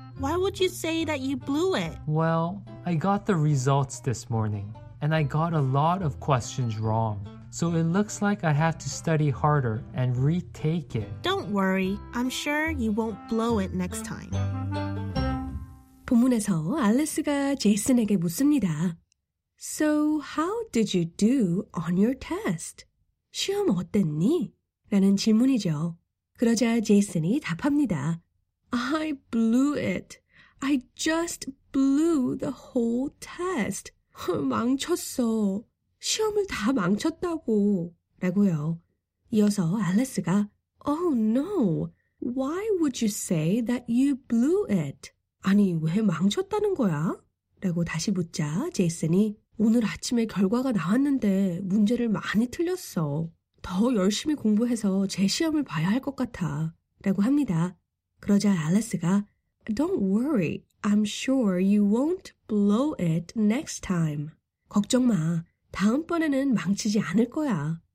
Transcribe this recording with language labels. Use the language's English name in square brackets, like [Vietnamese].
[English] Why would you say that you blew it? Well, I got the results this morning, and I got a lot of questions wrong. So it looks like I have to study harder and retake it. Don't worry. I'm sure you won't blow it next time. [Korean] 본문에서 알리스가 제이슨에게 묻습니다. [English] So how did you do on your test? [Korean] 시험 어땠니? 라는 질문이죠. 그러자 제이슨이 답합니다. [English] I blew it. I just blew the whole test. [Korean] 망쳤어. 시험을 다 망쳤다고. 라고요. 이어서 알리스가 [English] Oh no. Why would you say that you blew it? [Korean] 아니, 왜 망쳤다는 거야? 라고 다시 묻자 제이슨이 오늘 아침에 결과가 나왔는데 문제를 많이 틀렸어. 더 열심히 공부해서 재시험을 봐야 할 것 같아. 라고 합니다. 그러자 알리스가 [English] Don't worry. I'm sure you won't blow it next time. [Korean] 걱정 마. 다음번에는 망치지 않을 거야.